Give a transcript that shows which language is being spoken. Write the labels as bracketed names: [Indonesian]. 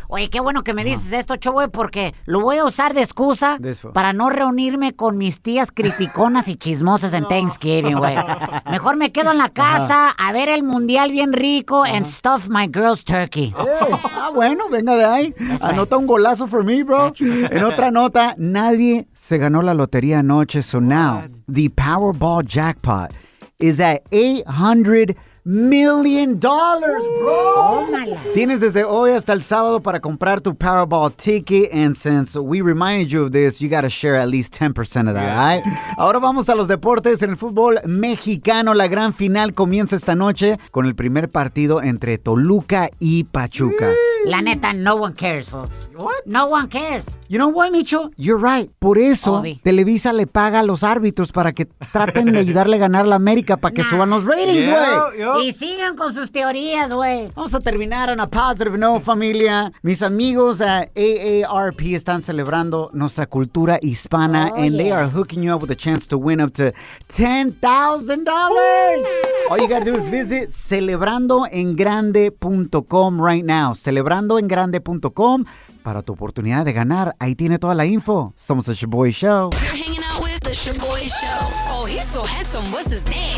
[Spanish] Oye, qué bueno que me dices esto, chowe, porque lo voy a usar de excusa para no reunirme con mis tías criticonas y chismosas en Thanksgiving, güey. Mejor me quedo en la casa a ver el mundial bien rico [English] and stuff my girl's turkey. [Spanish] Hey, bueno, venga de ahí. That's anota right. Un golazo [English] for me, bro. [Spanish] En otra nota, nadie se ganó la lotería anoche. [English] So now, the Powerball jackpot is at $800 million, bro. [Spanish] Tienes desde hoy hasta el sábado para comprar tu Powerball ticket. [English] And since we reminded you of this, you got to share at least 10% of that, right? [Spanish] Ahora vamos a los deportes. En el fútbol mexicano, la gran final comienza esta noche con el primer partido entre Toluca y Pachuca. La neta, [English] no one cares, bro. What? No one cares. You know what, Micho? You're right. [Spanish] Por eso, Televisa le paga a los árbitros para que traten de ayudarle a ganar la América para que suban los ratings, güey. Y sigan con sus teorías, güey. Vamos a terminar en [English] a positive note, [Spanish] familia. Mis amigos at AARP están celebrando nuestra cultura hispana. [English] They are hooking you up with a chance to win up to $10,000. All you gotta do is visit celebrandoengrande.com right now. [Spanish] Celebrandoengrande.com para tu oportunidad de ganar. Ahí tiene toda la info. Somos el Shaboy Show. [English] You're hanging out with the Shaboy Show. Oh, he's so handsome. What's his name?